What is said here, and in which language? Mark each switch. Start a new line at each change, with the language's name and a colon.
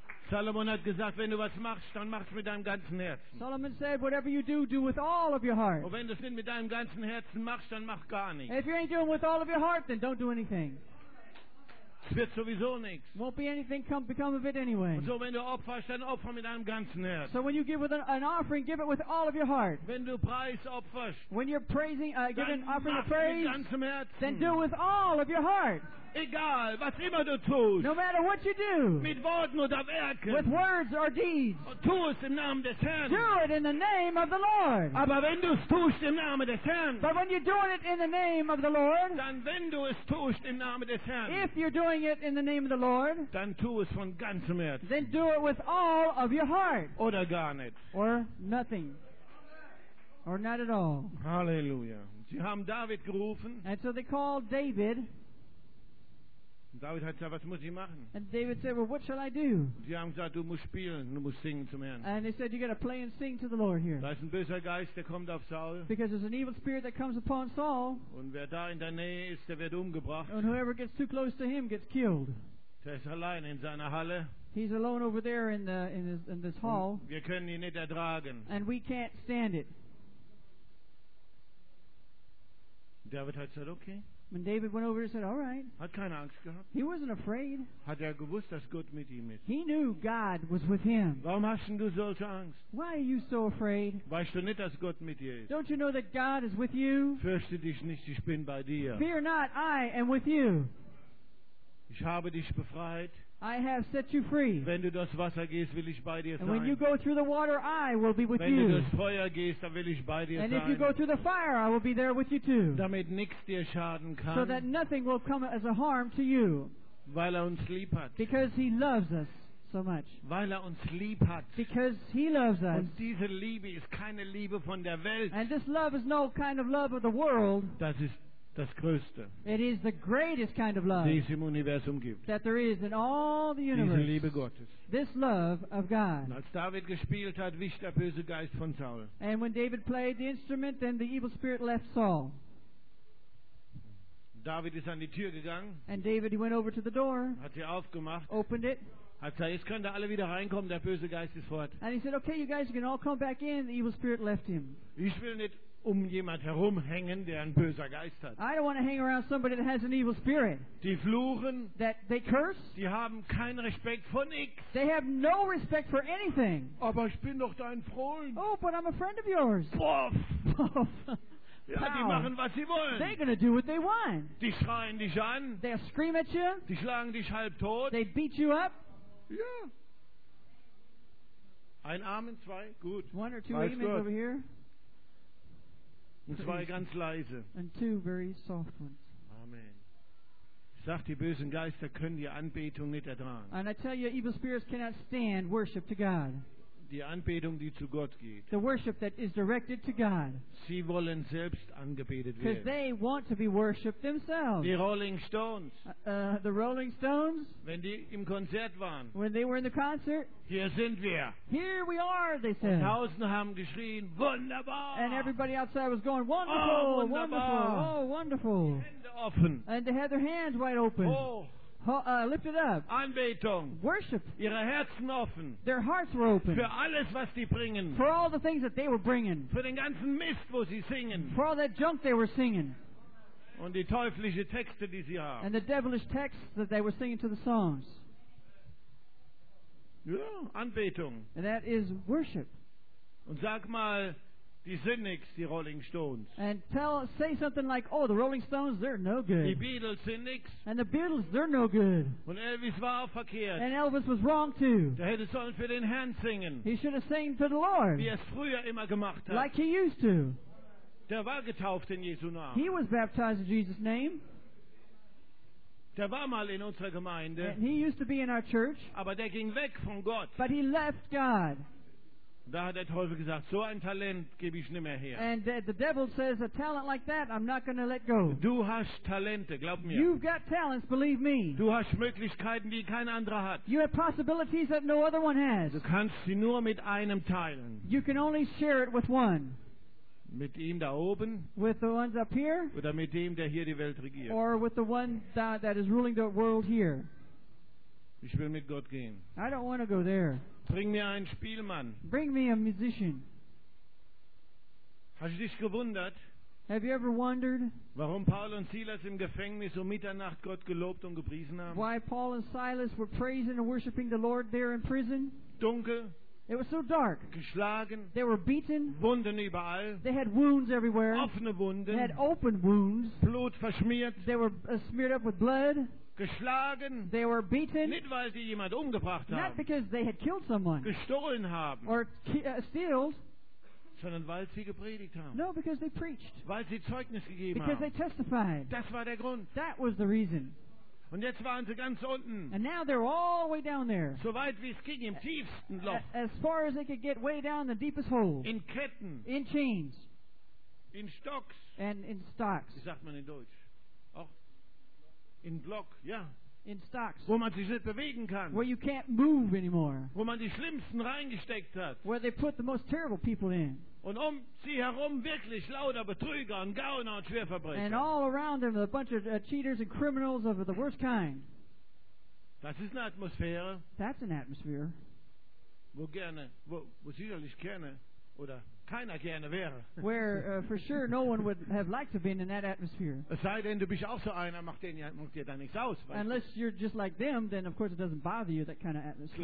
German: Salomon hat gesagt, wenn du was machst, dann mach's mit deinem ganzen Herzen.
English: Solomon said, whatever you do, do with all of your heart.
German: Und wenn du es nicht mit deinem ganzen Herzen machst, dann mach gar nichts.
English: If you ain't doing with all of your heart, then don't do anything.
German: Es wird sowieso nichts.
English: Won't be anything become of it anyway.
German: Und so wenn du opferst, dann opfer mit deinem ganzen Herzen.
English: So when you give with an offering, give it with all of your heart.
German: Wenn du Preis opferst,
English: when you're praising, giving an offering of praise,
German: mit ganzem Herzen.
English: Then do it with all of your heart.
German: Egal, was immer du tust.
English: No matter what you do.
German: Mit Worten oder Werken.
English: With words or deeds.
German: Tu es im Namen des Herrn.
English: Do it in the name of the Lord.
German: Aber wenn du es tust im Namen des Herrn.
English: But when you're doing it in the name of the Lord.
German: Dann wenn du es tust im Namen des Herrn.
English: If you're doing it in the name of the Lord.
German: Dann tu es von ganzem Herzen.
English: Then do it with all of your heart.
German: Oder gar nicht.
English: Or nothing. Or not at all.
German: Hallelujah. Sie haben David gerufen.
English: And so they called David.
German: David hat gesagt, was muss ich machen?
English: And David said, well, what shall I do?
German: Sie haben gesagt, du musst spielen, du musst singen zum Herrn.
English: And they said, you got to play and sing to the Lord here.
German: Da ist ein böser Geist, der kommt auf Saul.
English: Because there's an evil spirit that comes upon Saul.
German: Und wer da in der Nähe ist, der wird umgebracht.
English: And whoever gets too close to him gets killed.
German: Der ist allein in seiner Halle.
English: He's alone over there in this hall.
German: Und wir können ihn nicht ertragen.
English: And we can't stand it.
German: David hat gesagt, okay.
English: When David went over and said, all right.
German: Hat keine Angst gehabt.
English: He wasn't afraid.
German: Hat gewusst, dass Gott mit ihm ist.
English: He knew God was with him.
German: Warum hast du solche Angst?
English: Why are you so afraid?
German: Weißt du nicht, dass Gott mit dir ist?
English: Don't you know that God is with you?
German: Fürchte dich nicht, ich bin bei dir.
English: Fear not, I am with you.
German: Ich habe dich befreit.
English: I have set you free.
German: Wenn du durchs Wasser gehst, will ich bei dir sein.
English: And when you go through the water, I will be with you.
German: Wenn du durchs Feuer gehst, dann will ich bei dir sein.
English: And if you go through the fire, I will be there with you too.
German: Damit nichts dir schaden kann.
English: So that nothing will come as a harm to you.
German: Weil uns lieb hat.
English: Because he loves us so much.
German: Weil uns lieb hat.
English: Because he loves us.
German: Und diese Liebe ist keine Liebe von der Welt.
English: And this love is no kind of love of the world.
German: Das ist das Größte.
English: It is the greatest kind of love,
German: die es im Universum gibt,
English: that there is in all the universe.
German: Diese Liebe Gottes.
English: This love of God.
German: Und als David gespielt hat, wich der böse Geist von Saul.
English: And when David played the instrument, then the evil spirit left Saul.
German: David ist an die Tür gegangen.
English: And David, he went over to the door.
German: Hat sie aufgemacht.
English: Opened it.
German: Hat gesagt, jetzt könnt ihr alle wieder reinkommen, der böse Geist ist fort.
English: And he said, okay, you guys, you can all come back in. The evil spirit left him.
German: Ich will nicht um jemand herumhängen, der ein böser Geist hat.
English: I don't want to hang around somebody that has an evil spirit.
German: Die fluchen.
English: That they curse.
German: Die haben keinen Respekt vor nichts.
English: They have no respect for anything.
German: Aber ich bin doch dein Freund.
English: Oh, but I'm a friend of yours. Boff. Boff.
German: Ja, die machen, was sie wollen.
English: They're going to do what they want.
German: Die schreien dich an.
English: They'll scream at you.
German: Die schlagen dich halb tot.
English: They beat you up.
German: Ja. Ein Arm und zwei, gut.
English: One or two Amen over here.
German: Und zwei ganz leise.
English: And two very soft ones. Amen.
German: Ich sag, die bösen Geister können die Anbetung nicht ertragen.
English: And I tell you, evil spirits cannot stand worship to God.
German: Die Anbetung, die zu Gott geht.
English: The worship that is directed to God.
German: Sie wollen selbst angebetet werden.
English: Because they want to be worshipped themselves.
German: Die Rolling Stones.
English: The Rolling Stones.
German: Wenn die im Konzert waren.
English: When they were in the concert.
German: Hier sind wir.
English: Here we are, they said.
German: Und tausende haben geschrien, wunderbar.
English: And everybody outside was going, wonderful, wonderful, oh, wonderful.
German: Die Hände offen.
English: And they had their hands wide open. Oh. Lift it up.
German: Anbetung.
English: Worship.
German: Ihre Herzen offen.
English: Their hearts were open.
German: Für alles, was die bringen.
English: For all the things that they were bringing.
German: Für den ganzen Mist, wo sie singen.
English: For all that junk they were singing.
German: Und die teuflische Texte, die sie haben.
English: And the devilish texts that they were singing to the songs.
German: Ja, Anbetung.
English: And that is worship.
German: Und sag mal, die sind nichts, die Rolling Stones.
English: And say something like, oh, the Rolling Stones, they're no good.
German: Die Beatles sind nichts.
English: And the Beatles, they're no good.
German: Und Elvis war auch verkehrt.
English: And Elvis was wrong too.
German: Der hätte sollen für den Herrn singen.
English: He should have sang to the Lord.
German: Wie es früher immer gemacht hat.
English: Like he used to.
German: Der war getauft in Jesu Namen.
English: He was baptized in Jesus' name.
German: Der war mal in unserer Gemeinde.
English: And he used to be in our church.
German: Aber der ging weg von Gott.
English: But he left God.
German: Da hat der Teufel gesagt, so ein Talent gebe ich nicht mehr her.
English: And the devil says, a talent like that, I'm not going to let go.
German: Du hast Talente, glaub mir.
English: You've got talents, believe me.
German: Du hast Möglichkeiten, die kein anderer hat.
English: You have possibilities that no other one has.
German: Du kannst sie nur mit einem teilen.
English: You can only share it with one.
German: Mit ihm da oben.
English: With the ones up here.
German: Oder mit dem, der hier die Welt regiert.
English: Or with the one that is ruling the world here.
German: Ich will mit Gott gehen.
English: I don't want to go there.
German: Bring mir einen Spielmann.
English: Bring me a musician.
German: Hast du dich gewundert?
English: Have you ever wondered?
German: Warum Paul und Silas im Gefängnis um Mitternacht Gott gelobt und gepriesen haben?
English: Why Paul and Silas were praising and worshiping the Lord there in prison?
German: Dunkel.
English: It was so dark.
German: Geschlagen.
English: They were beaten.
German: Wunden überall.
English: They had wounds everywhere.
German: Offene Wunden.
English: They had open wounds.
German: Blut verschmiert.
English: They were smeared up with blood.
German: Geschlagen.
English: They were beaten.
German: Nicht, weil sie jemand umgebracht haben.
English: Not because they had killed someone.
German: Gestohlen haben.
English: Or stealed.
German: Sondern weil sie gepredigt haben.
English: No, because they preached.
German: Weil sie Zeugnis gegeben
English: because
German: haben.
English: Because they testified.
German: Das war der Grund.
English: That was the reason.
German: Und jetzt waren sie ganz unten.
English: And now they're all the way down there.
German: So weit wie es ging, im tiefsten Loch.
English: As far as they could get, way down the deepest hole.
German: In Ketten.
English: In chains. In Stocks. And in stocks.
German: Wie sagt man in Deutsch? Auch in Block, ja.
English: Yeah. In stocks.
German: Wo man sich nicht bewegen kann.
English: Where you can't move anymore.
German: Wo man die Schlimmsten reingesteckt hat.
English: Where they put the most terrible people in.
German: Und um sie herum wirklich lauter Betrüger und Gauner und Schwerverbrecher.
English: And all around them a bunch of cheaters and criminals of the worst kind.
German: Das ist eine Atmosphäre.
English: That's an atmosphere.
German: Wo gerne, wo sicherlich gerne oder keiner gerne wäre.
English: Where for sure no one would have liked to have been in that atmosphere.
German: Es sei denn, du bist auch so einer, macht dir da nichts aus.
English: Unless you're just like them, then of course it doesn't bother you, that kind of atmosphere.